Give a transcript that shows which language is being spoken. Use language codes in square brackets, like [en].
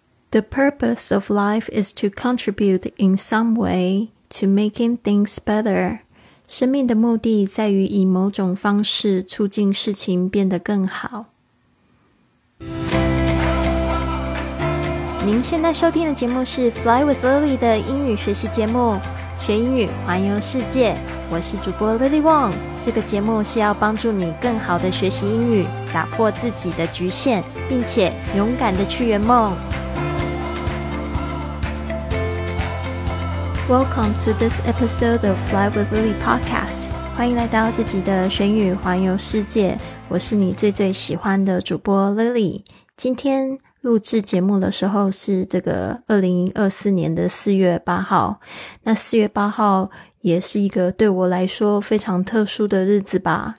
[en] The purpose of life is to contribute in some way to making things better. [zh] 生命的目的在于以某种方式促进事情变得更好。您现在收听的节目是 Fly with Lily 的英语学习节目，学英语环游世界。我是主播 Lily Wong。这个节目是要帮助你更好的学习英语，打破自己的局限，并且勇敢的去圆梦。 [en] Welcome to this episode of Fly with Lily podcast。 [zh] 欢迎来到自己的学英语环游世界，我是你最最喜欢的主播 Lily。今天录制节目的时候是这个2024年的4月8号。那4月8号也是一个对我来说非常特殊的日子吧。